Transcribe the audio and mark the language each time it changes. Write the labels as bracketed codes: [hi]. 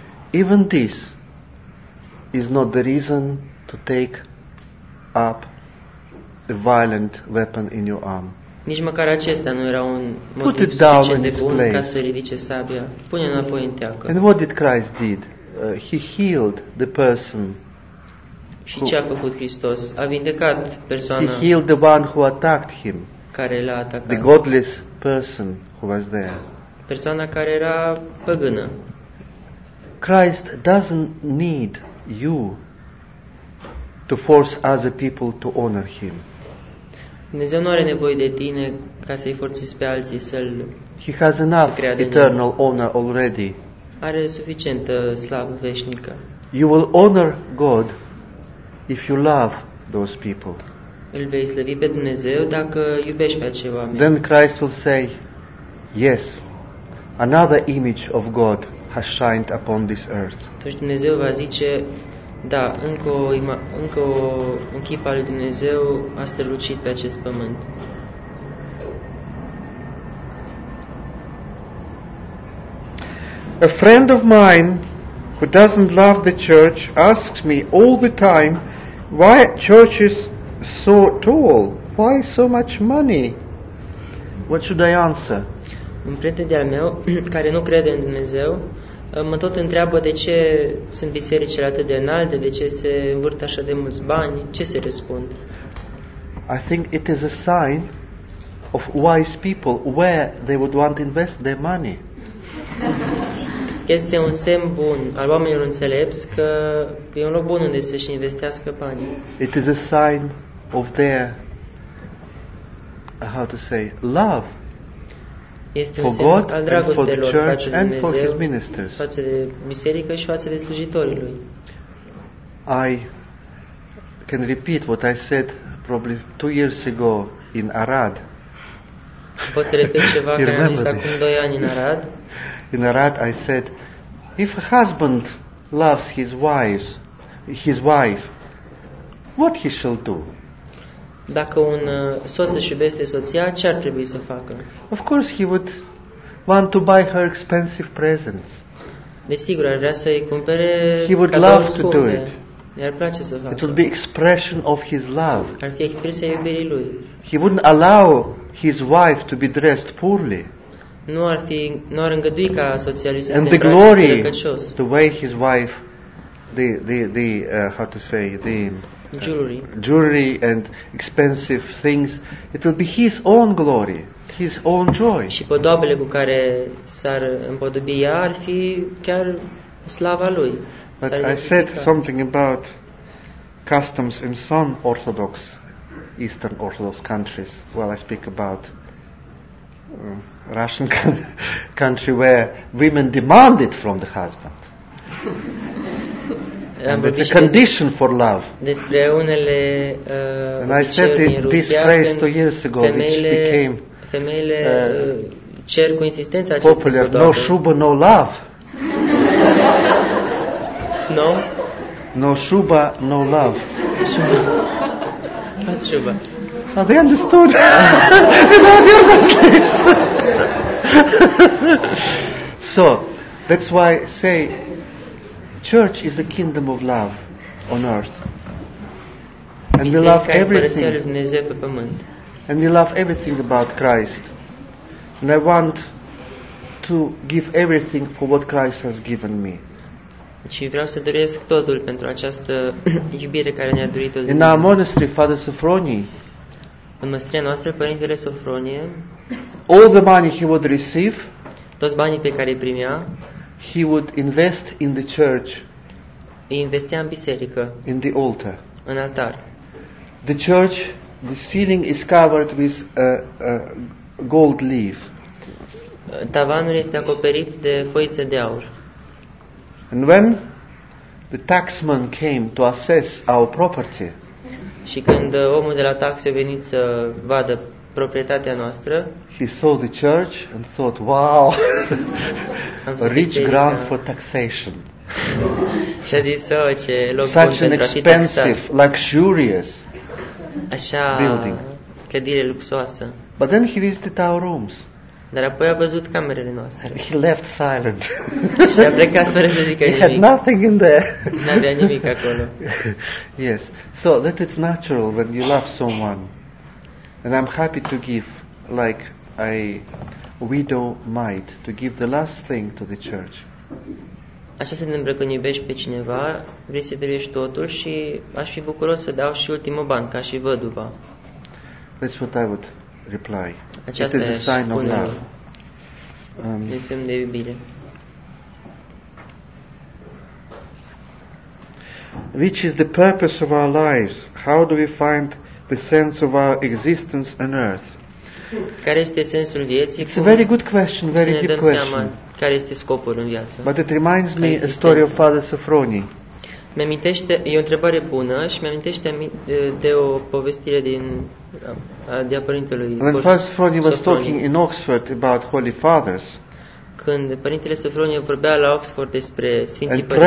[en] Even this is not the reason to take up a violent weapon in your arm. [ro] Nici măcar acesta nu era un motiv suficient de bun ca să ridice sabia. Pune-o înapoi în teacă. [en] And what did Christ did? He healed the person. [ro] Și ce a făcut Hristos? A vindecat persoana. [en] He healed the one who attacked him. [ro] Care l-a atacat. [en] The godless person who was there. [ro] Persoana care era păgână. [en] Christ doesn't need you to force other people to honor him. [ro] Dumnezeu nu are nevoie de tine ca să-i forțezi pe alții să-l [en] He has enough eternal honor already. [ro] Are suficientă slavă veșnică. [en] You will honor God if you love those people. [ro] Îl vei slăvi pe Dumnezeu dacă iubești pe acei oameni. [en] Then Christ will say, yes, another image of God has shined upon this earth. [ro] Atunci Dumnezeu va zice, da, un chip al lui Dumnezeu a strălucit pe acest pământ. [en] A friend of mine who doesn't love the church asks me all the time why church is so tall, why so much money? What should I answer? [ro] Un prieten de-al meu care nu crede în Dumnezeu mă tot întreabă de ce sunt bisericile atât de înalte, de ce se învârte așa de mulți bani, ce se răspund? [en] I think it is a sign of wise people where they would want to invest their money. [ro] Este un semn bun al oamenilor înțelepți că e un loc bun unde să-și investească banii. [en] It is a sign of their love. [ro] Este un semn [en] God [ro] al dragostei lor [en] for [ro] față de Dumnezeu, față de biserică și față de slujitorii lui. [en] I can repeat what I said probably 2 years ago in Arad. [ro] Pot să repet ceva care am zis acum 2 ani în Arad. [en] In Arad I said, if a husband loves his wife, what he shall do? [ro] Dacă un soț își iubește soția, ce ar trebui să facă? [en] Of course he would want to buy her expensive presents. [ro] Desigur, ar vrea să-i cumpere cadouri scumpe. [en] He would love to do it. [ro] I-ar place să facă. [en] It would be expression of his love. [ro] Ar fi expresia iubirii lui. [en] He wouldn't allow his wife to be dressed poorly. [ro] Nu ar îngădui ca soția lui să se îmbrace stricăcios. [en] The way his wife the jewelry and expensive things, it will be his own glory, his own joy. [ro] Și podoabele cu care s-ar împodobi ea ar fi chiar slava lui. [en] But I said something about customs in some Orthodox Eastern Orthodox countries while I speak about Russian country where women demand it from the husband. It's a condition for love. [ro] Despre unele [en] and I said this phrase 2 years ago, [ro] femeile, [en] which became [ro] cu insistența [en] popular, no shuba, no love. No? No shuba, no love. What's shuba? Now they understood. So, that's why I say church is a kingdom of love on earth. And we love everything. [ro] Biserica e împărăția lui Dumnezeu pe pământ. [en] And we love everything about Christ. And I want to give everything for what Christ has given me. [ro] Și vreau să doresc totul pentru această iubire care ne-a dorit-o [en] Dumnezeu. In our monastery, Father Sofronie, [ro] în măstria noastră, părintele Sofronie, [en] all the money he would receive, [ro] toți banii pe care îi primea, [en] he would invest in the church, [ro] investea în biserică, [en] in the altar, [ro] în altar. [en] The church, the ceiling is covered with a gold leaf. [ro] Tavanul este acoperit de foițe de aur. [en] And when the taxman came to assess our property, [ro] Și când omul de la taxi a venit să vadă proprietatea noastră, [en] he saw the church and thought, wow, rich ground for taxation. [ro] Și a zis, oh, ce loc bun pentru a fi taxat. [en] Such an expensive, luxurious building. [ro] Așa, clădire luxoasă. [en] But then he visited our rooms. [ro] Dar apoi a văzut camerele noastre. [en] And he left silent. [ro] Și a plecat fără să zică nimic. [en] He had nothing in there. [ro] N-avea nimic acolo. [en] Yes. So that it's natural when you love someone. And I'm happy to give, like a widow might, to give the last thing to the church. [ro] Așa se întâmplă când iubești pe cineva, vrei să dăruiești totul și aș fi bucuros să dau și ultimul ban, ca și văduva. [en] That's what I would reply. [ro] Aceasta [en] it is a sign of love. [ro] E semn de iubire. [en] Which is the purpose of our lives? How do we find the sense of our existence on earth? [ro] Care este sensul vieții? [en] It's a very good question, very deep question. [ro] Care este scopul în viață? [en] But it reminds me a story of Father Sofroni. [ro] Mi-amintește, e o întrebare bună și mi-amintește de o povestire din a părintelui Sofroni. [en] When Father Sofroni was talking in Oxford about holy fathers, [ro] când părintele Sofroni vorbea la Oxford despre sfinții părinți,